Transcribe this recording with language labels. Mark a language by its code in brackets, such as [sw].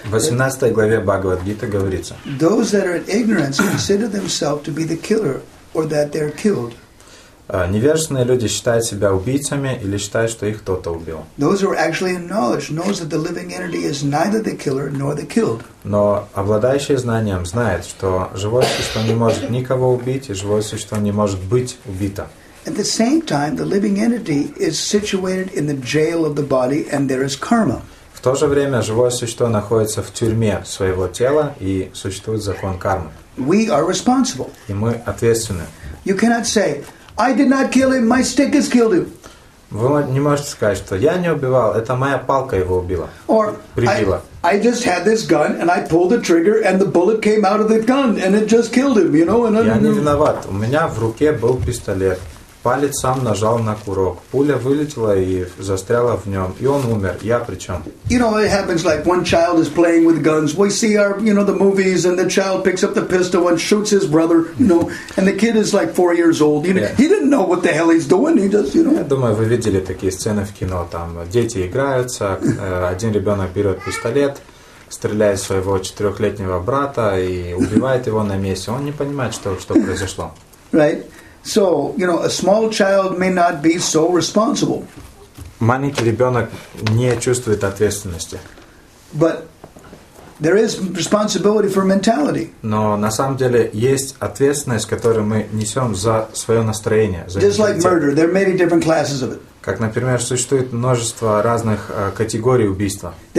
[ru] В 18 главе Бхагавад Гита говорится. [en] Those that are in ignorance consider themselves to be the killer, or that they are killed. [ru] Невежественные люди считают себя убийцами или считают, что их кто-то убил. [en] Those who are actually in knowledge knows that the living entity is neither the killer nor the killed. [ru] Но обладающие знанием знают, что живое существо не может никого убить и живое существо не может быть убито. [en] At the same time, the living entity is situated in the jail of the body, and there is karma. [ru] В то же время живое существо находится в тюрьме своего тела и существует закон кармы. [en] We are responsible. [ru] И мы ответственны. [en] You cannot say I did not kill him. My stick has killed him. [ru] Вы не можете сказать, что я не убивал. Это моя палка его убила. [en] Or [ru] прибила. [en] I just had this gun and I pulled the trigger and the bullet came out of the gun and it just killed him. You know. [ru] Я не виноват. У меня в руке был пистолет, палец сам нажал на курок. Пуля вылетела и застряла в нем, и он умер. Я причем. [en] You know, it happens like one child is playing with guns. We see our, you know, the movies, and the child picks up the pistol and shoots his brother, you know, and the kid is like 4 years old. You know, yeah. He didn't know what the hell he's doing. He just, you know. [ru] Я думаю, вы видели такие сцены в кино, там дети играются, один ребенок берет пистолет, стреляет своего 4-летнего брата и убивает его на месте. Он не понимает, что произошло. [en] Right. So, you know, a small child may not be so responsible. [ru] Маленький ребенок не чувствует ответственности. [en] But there is responsibility for mentality. [ru] Но на самом деле есть ответственность, которую мы несем за свое настроение. [en] Just like murder, there are many different classes of it. [ru] Как, например, существует множество разных категорий убийства.